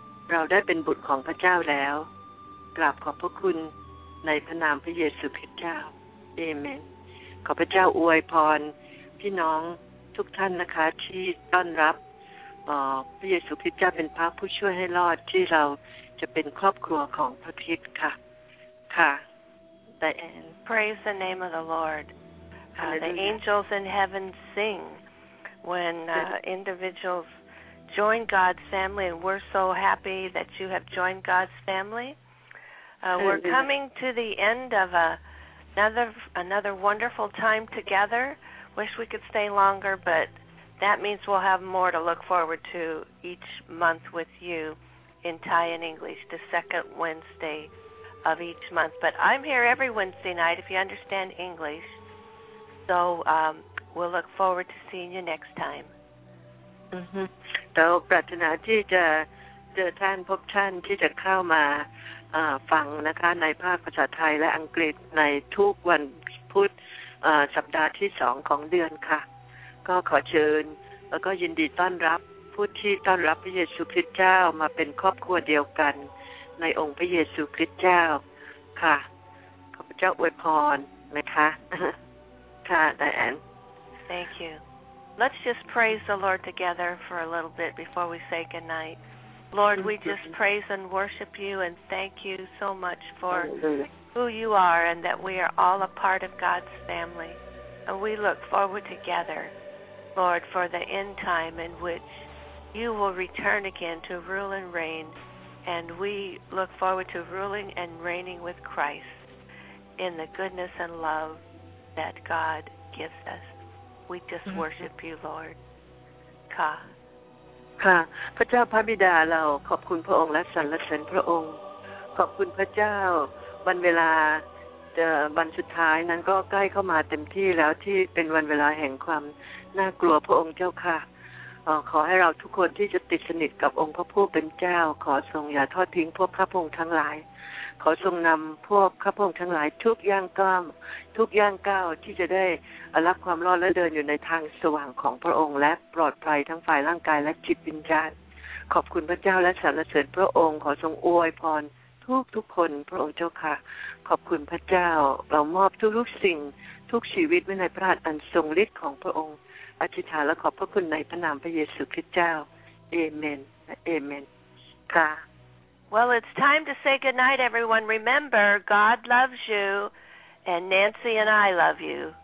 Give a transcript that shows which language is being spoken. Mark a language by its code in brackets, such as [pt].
[th] เราได้เป็นบุตรของพระเจ้าแล้วกราบขอบพระคุณในพระนามพระเยซูคริสต์เจ้าอาเมนขอพระเจ้าอวยพรพี่น้องทุกท่านนะคะที่ต้อนรับพระเยซูคริสต์เจ้าเป็นพระผู้ช่วยให้รอดที่เราจะเป็นครอบครัวของพระคริสต์ค่ะค่ะ [en] The end. Praise the name of the Lord. The angels in heaven sing when individuals join God's family, and we're so happy that you have joined God's family. We're coming to the end of another wonderful time together. Wish we could stay longer, but that means we'll have more to look forward to each month with you in Thai and English, the second Wednesday of each month. But I'm here every Wednesday night if you understand English. So we'll look forward to seeing you next time. [th] เราปรารถนาที่จะเจอท่านพบท่านที่จะเข้ามาฟังนะคะในภาคภาษาไทยและอังกฤษในทุกวันพ พุธสัปดาห์ที่2ของเดือนค่ะก็ขอเชิญแล้วก็ยินดีต้อนรับผู้ที่ต้อนรับพระเยซูคริสต์เจ้ามาเป็นครอบครัวเดียวกันในองค์พระเยซูคริสต์เจ้าค่ะขอพระเจ้าอวยพรนะคะค่ะไดแอน [en] Thank you. Let's just praise the Lord together for a little bit before we say goodnight. Lord, we just praise and worship you and thank you so much for who you are and that we are all a part of God's family. And we look forward together, Lord, for the end time in which you will return again to rule and reign. And we look forward to ruling and reigning with Christ in the goodness and love that God gives us. We just worship you, Lord. Ka. Ka. [th] พระเจ้าพระบิดาเราขอบคุณพระองค์และสรรเสริญพระองค์ขอบคุณพระเจ้าวันเวลาจะวันสุดท้ายนั้นก็ใกล้เข้ามาเต็มที่แล้วที่เป็นวันเวลาแห่งความน่ากลัวพระองค์เจ้าค่ะ ขอให้เราทุกคนที่จะติดสนิทกับองค์พระผู้เป็นเจ้าขอทรงอย่าทอดทิ้งพวกพระองค์ทั้งหลายขอทรงนำพวกพระองค์ทั้งหลายทุกย่างก้าวทุกย่างก้าวที่จะได้รับความรอดและเดินอยู่ในทางสว่างของพระองค์และปลอดภัยทั้งฝ่ายร่างกายและจิตวิญญาณ ขอบคุณพระเจ้าและสรรเสริญพระองค์ขอทรงอวยพรทุกทุกคนพระองค์เจ้าค่ะขอบคุณพระเจ้าเรามอบทุกทุกสิ่งทุกชีวิตไว้ในพระหัตถ์อันทรงฤทธิ์ของพระองค์อธิษฐานและขอบพระคุณในพระนามพระเยซูคริสต์เจ้าเอเมนเอเมนค่ะ [en] Well it's time to say good night everyone remember God loves you and Nancy and I love you